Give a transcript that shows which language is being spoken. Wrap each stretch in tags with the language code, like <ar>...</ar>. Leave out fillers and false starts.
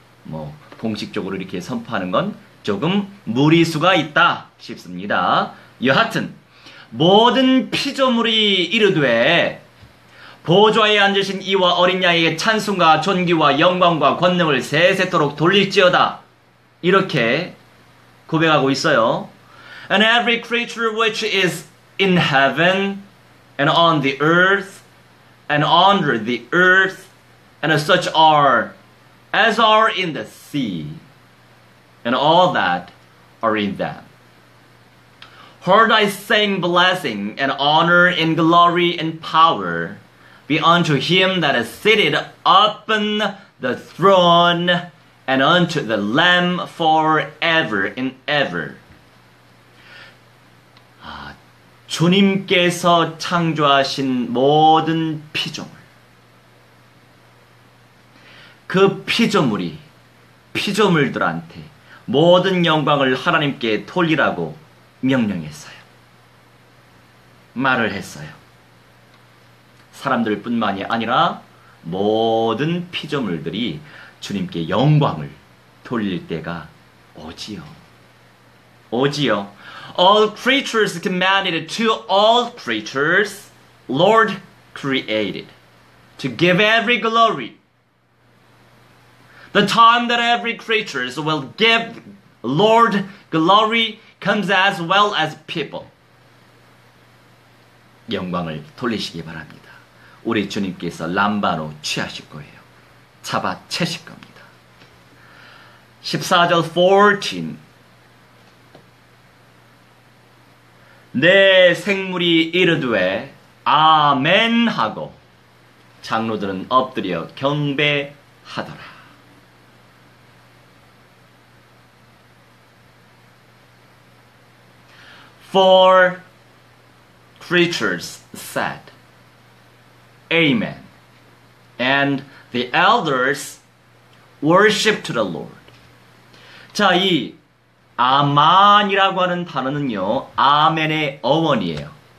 <ko>뭐 공식적으로 이렇게 선포하는 건 조금 무리수가 있다 싶습니다. 여하튼 모든 피조물이 이르되 보좌에 앉으신 이와 어린 양에게 찬송과 존귀와 영광과 권능을 세세토록 돌릴지어다, 이렇게 고백하고 있어요.</ko> <en>And every creature which is in heaven and on the earth and under the earth and such are as are in the sea and all that are in them. Heard I saying blessing and honor and glory and power be unto him that is seated upon the throne and unto the Lamb forever and ever.</en> <ko>아, 주님께서 창조하신 모든 피조물, 그 피조물이 피조물들한테 모든 영광을 하나님께 돌리라고 명령했어요. 말을 했어요. 사람들뿐만이 아니라 모든 피조물들이 주님께 영광을 돌릴 때가 오지요. 오지요.</ko> <en>All creatures commanded to all creatures Lord created to give every glory. The time that every creature will give Lord glory comes as well as people.</en> <ko>영광을 돌리시기 바랍니다. 우리 주님께서 람바로 취하실 거예요. 잡아채실 겁니다. 14절 14. 내 생물이 이르되 아멘 하고 장로들은 엎드려 경배하더라.</ko> <en>4 creatures said Amen and the elders worshiped the Lord.</en> <ko>자, 이 아만이라고 하는 단어는요, 아멘의 어원이에요.</ko>